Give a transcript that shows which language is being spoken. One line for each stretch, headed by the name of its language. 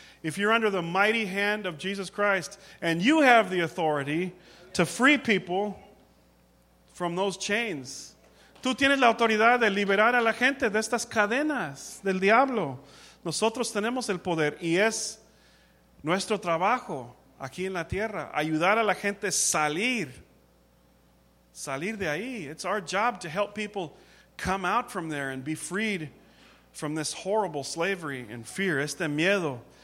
English: If you're under the mighty hand of Jesus Christ, and you have the authority to free people from those chains.
Spanish: Tú tienes la autoridad de liberar a la gente de estas cadenas del diablo. Nosotros tenemos el poder y es nuestro trabajo aquí en la tierra. Ayudar a la gente a salir de ahí.
English: It's our job to help people come out from there and be freed from this horrible slavery and fear,
Spanish: este miedo.